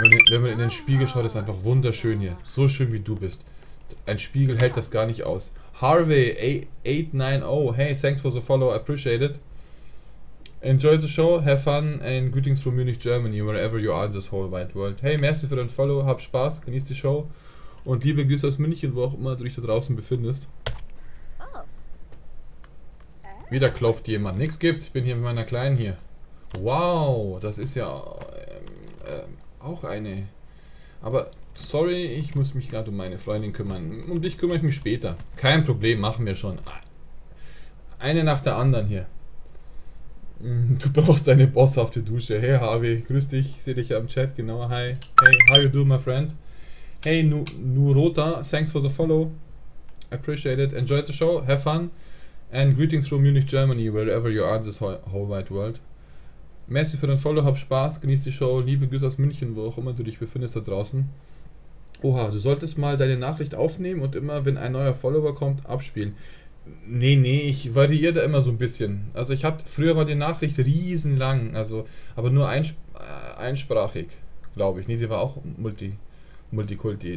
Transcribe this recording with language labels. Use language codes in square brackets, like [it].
[de] Wenn man in den Spiegel schaut, ist es einfach wunderschön hier. So schön wie du bist. Ein Spiegel hält das gar nicht aus. [en] Harvey 890, hey, thanks for the follow, appreciate it. Enjoy the show, have fun and greetings from Munich, Germany, wherever you are in this whole wide world. [de] Hey, merci für dein Follow, hab Spaß, genieß die Show und liebe Grüße aus München, wo auch immer du dich da draußen befindest. Wieder klopft jemand. Nichts gibt's. Ich bin hier mit meiner Kleinen hier. Wow, das ist ja auch eine. Aber sorry, ich muss mich gerade um meine Freundin kümmern. Um dich kümmere ich mich später. Kein Problem, machen wir schon. Eine nach der anderen hier. Du brauchst deine Boss auf die Dusche. Hey Harvey, grüß dich. Ich sehe dich ja im Chat. Genau. Hi. [en] Hey, how you do, my friend? Hey, Nurota, thanks for the follow. Appreciate it. Enjoy the show. Have fun. And greetings from Munich, Germany, wherever you are in this whole wide world. [de] Merci für den Follow, hab Spaß, genieß die Show, liebe Grüße aus München, wo auch immer du dich befindest da draußen. Oha, du solltest mal deine Nachricht aufnehmen und immer, wenn ein neuer Follower kommt, abspielen. Nee, ich variiere da immer so ein bisschen. Also ich hatte, früher war die Nachricht riesenlang, also, aber nur einsprachig, glaube ich. Nee, die war auch Multikulti.